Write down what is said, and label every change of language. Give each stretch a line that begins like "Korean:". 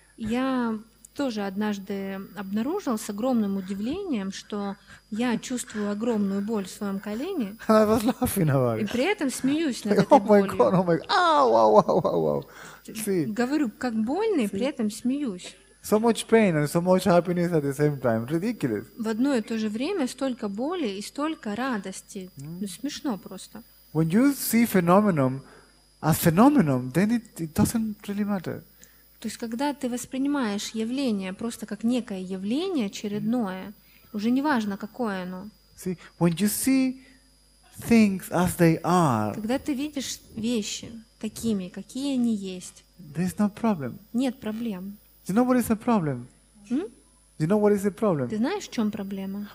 Russian: Я тоже однажды обнаружил с огромным удивлением, что я чувствую огромную боль в своем колене.
English: I was laughing about it.
Russian: И при этом смеюсь над
English: like,
Russian: этой болью.
English: Oh my God, oh my God. Ah, wow. See.
Russian: Говорю, как больно, и при этом смеюсь.
English: So much pain and so much happiness at the same time. Ridiculous.
Russian: В одно и то же время столько боли и столько радости. Ну, смешно просто.
English: When you see phenomenon as phenomenon, then it doesn't really matter.
Russian: То есть, когда ты воспринимаешь явление просто как некое явление очередное, уже не важно, какое оно.
English: See, when you see things as they are.
Russian: Когда ты видишь вещи такими, какие они есть.
English: There's no problem.
Russian: Нет проблем.
English: Do you know what is the problem? Do you know what is the problem?
Russian: Ты знаешь, в чем проблема?